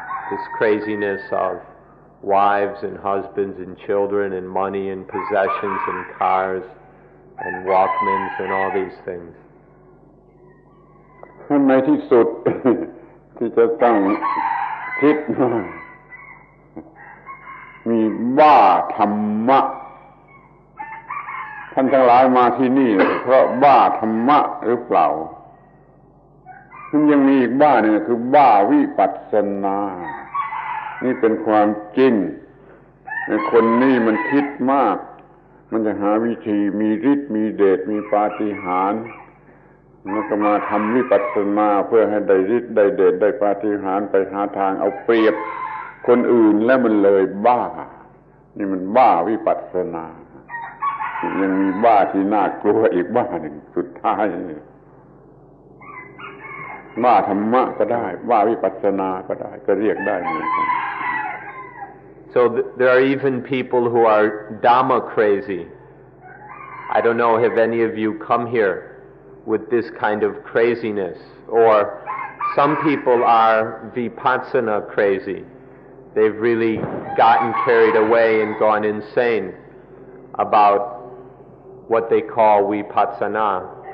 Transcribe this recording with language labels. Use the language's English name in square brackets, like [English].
[English] This craziness of wives and husbands and children and money and possessions and cars and Walkmans and all these things. And my teeth so teeth are down. Teeth. [Thai] มีบ้าธรรมะท่านทั้งหลายมาที่นี่เพราะบ้าธรรมะหรือเปล่าท่านยังมีอีกบ้าหนึ่งคือบ้าวิปัสสนา นี่เป็นความจริงในคนนี้มันคิดมากมันจะหาวิธีมีฤทธิ์มีเดชมีปาฏิหาริย์แล้วก็มาทำวิปัสสนาเพื่อให้ได้ฤทธิ์ได้เดชได้ปาฏิหาริย์ไปหาทางเอาเปรียบคนอื่นแล้วมันเลยบ้านี่มันบ้าวิปัสสนา ยังมีบ้าที่น่ากลัวอีกบ้าหนึ่งสุดท้ายบ้าธรรมะก็ได้บ้าวิปัสสนาก็ได้ก็เรียกได้เหมือนกัน [English] So there are even people who are Dhamma crazy. I don't know if any of you come here with this kind of craziness. Or some people are Vipassana crazy. They've really gotten carried away and gone insane about what they call vipassana.